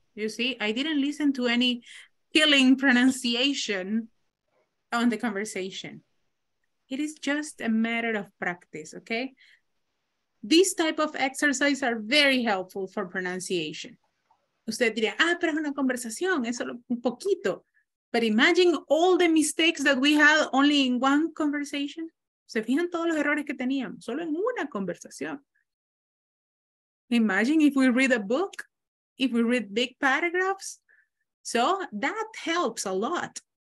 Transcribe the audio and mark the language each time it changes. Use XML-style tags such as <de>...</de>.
<en>You see, I didn't listen to any killing pronunciation on the conversation. It is just a matter of practice, okay? These type of exercises are very helpful for pronunciation.</en> <es>Usted diría, ah, pero es una conversación, es solo un poquito.</es> <en>But imagine all the mistakes that we had only in one conversation.</en> <es>¿Se fijan todos los errores que teníamos? Solo en una conversación.</es> <en>Imagine if we read a book, if we read big paragraphs. So that helps a lot.</en>